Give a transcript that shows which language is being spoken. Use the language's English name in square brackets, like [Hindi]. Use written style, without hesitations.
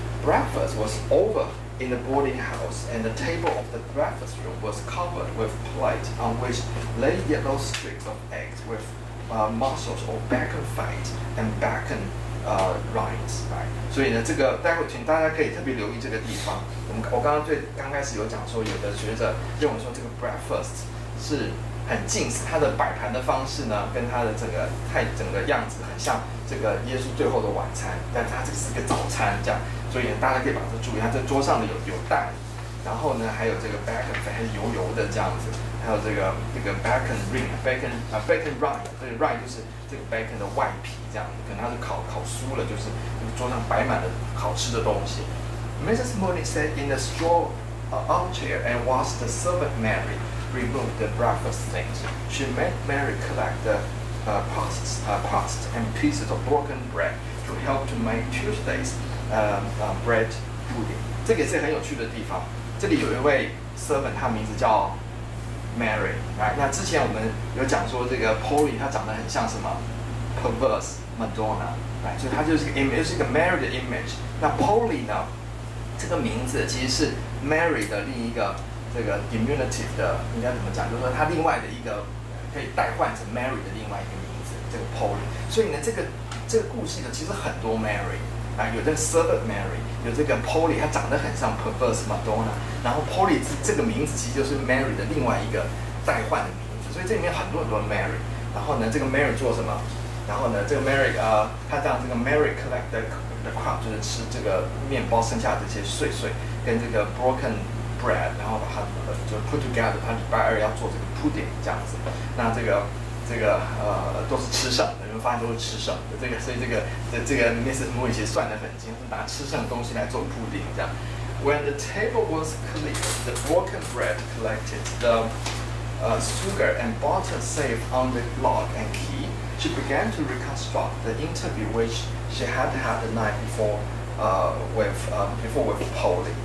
[English] Breakfast was over in the boarding house, and the table of the breakfast room was covered with plate on which lay yellow streaks of eggs with. Muscles or bacon fat and bacon rinds, right? [Chinese] 所以呢，这个待会请大家可以特别留意这个地方。我刚刚开始有讲说，有的学者认为说这个 breakfast 是很近似，它的摆盘的方式呢，跟它的整个样子很像这个耶稣最后的晚餐，但它这个是个早餐这样。所以呢，大家可以把这注意，它这桌上的有蛋，然后呢还有这个 bacon fat 还是油油的这样子。还有这个 bacon ring bacon bacon rind，这个 rind 就是这个 bacon 的外皮，这样可能它是烤酥了，就是桌上摆满了好吃的东西。 [English] Mrs. Mooney sat in a straw armchair and watched the servant Mary remove the breakfast things. She made Mary collect the crusts and pieces of broken bread to help to make Tuesday's bread pudding. [Chinese] 这个也是很有趣的地方。这里有一位 servant， 他名字叫。Mary， 来，那之前我们有讲说这个 Polly 她长得很像什么 ？Perverse Madonna， 来，所以她就是一个 image， 是一个 Mary 的 image。那 Polly 呢？这个名字其实是 Mary 的另一个这个 diminutive 的，应该怎么讲？就是说她另外的一个可以代换成 Mary 的另外一个名字，这个 Polly。所以呢，这个故事呢，其实很多 Mary。有这个 servant Mary， 有这个 Polly， 她长得很像 perverse Madonna， 然后 Polly 这个名字其实就是 Mary 的另外一个代换的名字，所以这里面很多很多 Mary。然后呢，这个 Mary 做什么？然后呢，这个 Mary 她让这个 Mary [English] collect the crumb， [Chinese] 就是吃这个面包剩下的这些碎碎，跟这个 broken bread， 然后把它就 [English] put together， [Chinese] 她礼拜二要做这个 pudding 这样子。那这个都是吃剩的，你们发现都是吃剩的。所以这个 Mrs. Mooney 其实算得很精，拿吃剩的东西来做铺垫这样。 [English] When the table was cleared, the broken bread collected, the sugar and butter saved on the lock and key, she began to reconstruct the interview which she had the night before with Polly.